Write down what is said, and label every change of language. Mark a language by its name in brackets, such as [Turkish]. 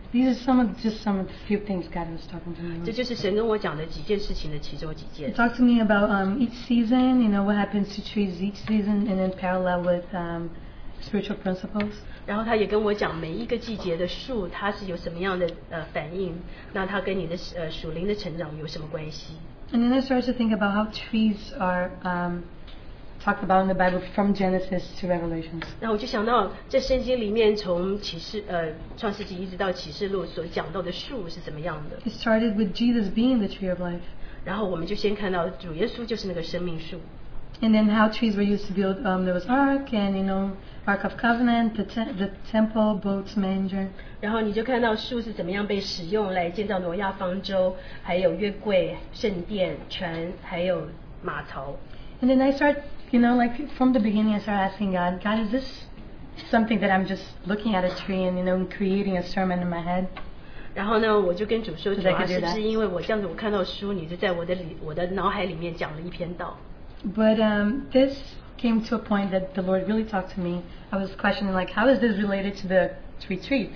[English] These are some of the few things God was talking to me. [Chinese] 这就是神跟我讲的几件事情的其中几件。 [English] He talked to me about each season, you know, what happens to trees each season, and then parallel with spiritual principles. [Chinese] 然后他也跟我讲每一个季节的树,它是有什么样的反应,那它跟你的属灵的成长有什么关系。 [English] And then I started to think about how trees are talked about in the Bible from Genesis to Revelations. [Chinese] 然后我就想到这圣经里面从创世纪一直到启示录所讲到的树是怎么样的。 [English] It started with Jesus being the tree of life. [Chinese] 然后我们就先看到主耶稣就是那个生命树。 [English] And then how trees were used to build there was ark and, you know, ark of covenant, the temple, boats, manger. [Chinese] 然后你就看到树是怎么样被使用来建造挪亚方舟，还有约柜、圣殿、船，还有码头。 [English] And then I start, you know, like from the beginning, I start asking God, God, is this something that I'm just looking at a tree and, you know, creating a sermon in my head? [Chinese] 然后呢，我就跟主说，主要是不是因为我这样子，我看到书，你就在我的脑海里面讲了一篇道。 [English] But this came to a point that the Lord really talked to me. I was questioning, like, how is this related to the retreat?